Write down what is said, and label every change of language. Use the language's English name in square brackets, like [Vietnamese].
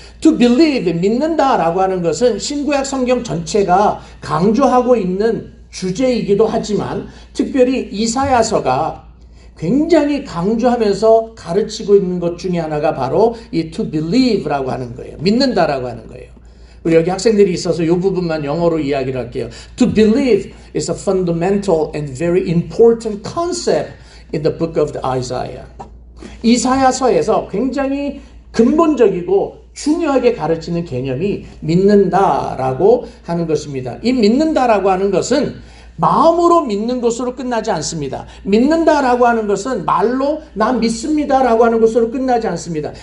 [English] To believe, [Korean] 믿는다 라고 하는 것은 신구약 성경 전체가 강조하고 있는 주제이기도 하지만, 특별히 이사야서가 굉장히 강조하면서 가르치고 있는 것 중에 하나가 바로 이 [English] to believe [Korean] 라고 하는 거예요. 믿는다라고 하는 거예요. 우리 여기 학생들이 있어서 이 부분만 영어로 이야기를 할게요. [English] To believe is a fundamental and very important concept in the book of Isaiah. [Korean] 이사야서에서 굉장히 근본적이고 중요하게 가르치는 개념이 믿는다라고 하는 것입니다. 이 믿는다라고 하는 것은 마음으로 믿는 것으로 끝나지 않습니다. 믿는다라고 하는 것은 말로 나 믿습니다라고 하는 것으로 끝나지 않습니다.